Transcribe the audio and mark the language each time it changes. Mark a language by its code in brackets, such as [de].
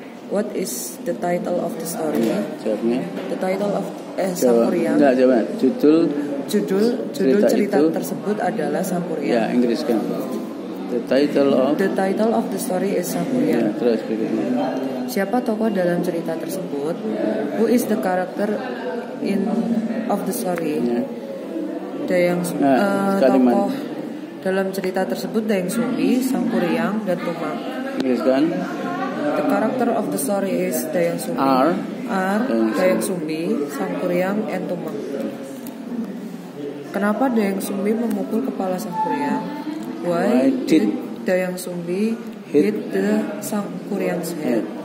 [en] What is the title of the story? [id] Jawabnya. [en] The title of Sampuriang. [id] Enggak, jawab. Judul. Judul cerita itu, tersebut adalah Sampuriang. Ya, Inggriskan. [en] The title of the story is Sampuriang. [id] Ya, terus berikutnya. Siapa tokoh dalam cerita tersebut? [en] Who is the character in of the story? [id] Ya. Dayang tokoh dalam cerita tersebut Dayang Sumbi, Sampuriang, dan Tumang. Inggriskan. [en] The character of the story is Dayang Sumbi. Dayang Sumbi, Sampuriang, and Tumang. [id] Kenapa Dayang Sumbi memukul kepala Sampuriang? [en] Why did Dayang Sumbi hit the Sangkuriang's head?